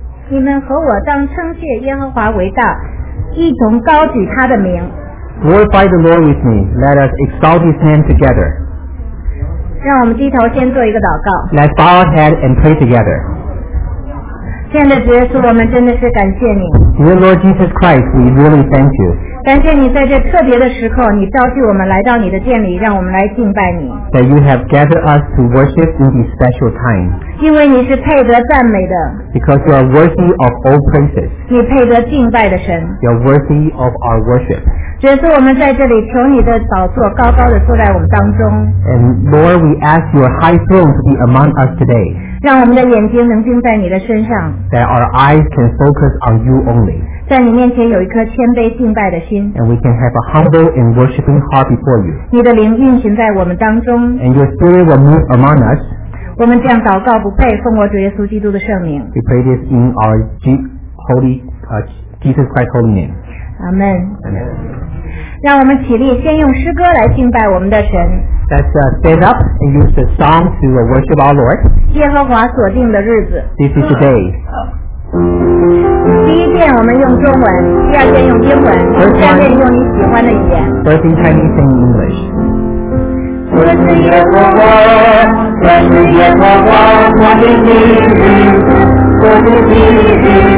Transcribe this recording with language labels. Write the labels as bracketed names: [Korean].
[Chinese] 你们和我当称谢耶和华为大，一同高举他的名。 [English] Glorify the Lord with me. Let us exalt his name together. [Chinese] 让我们低头先做一个祷告。 [English] Let's bow our head and pray together. [Chinese] 亲爱的主耶稣，我们真的是感谢你。 [English] Dear Lord Jesus Christ, we really thank you. [Chinese] 感谢你在这特别的时刻，你召集我们来到你的殿里，让我们来敬拜你。 [English] That you have gathered us to worship in this special time. [Chinese] 因为你是配得赞美的。 [English] Because you are worthy of all praises. [Chinese] 你配得敬拜的神。 [English] You are worthy of our worship. [Chinese] 主耶稣，我们在这里求你的宝座高高的坐在我们当中。 [English] And Lord, we ask your high throne to be among us today. [Chinese] 让我们的眼睛能盯在你的身上。 [English] That our eyes can focus on you only. [Chinese] 在你面前有一颗谦卑敬拜的心。 [English] And we can have a humble and worshiping heart before you. [Chinese] 你的灵运行在我们当中。 [English] And your spirit will move among us. [Chinese] 我们这样祷告不配，奉我主耶稣基督的圣名。 [English] We pray this in our Jesus Christ's holy name. Amen. Amen. [Chinese] 让我们起立，先用诗歌来敬拜我们的神。 [English] Let's stand up and use the song to worship our Lord. [Chinese] 耶和华所定的日子。 [English] This is the day. [Chinese] 第一遍我们用中文，第二遍用英文，第三遍用你喜欢的语言。 [English] First in Chinese and English. [Chinese] 这是耶和华，这是耶和华，我的名字，我的名字。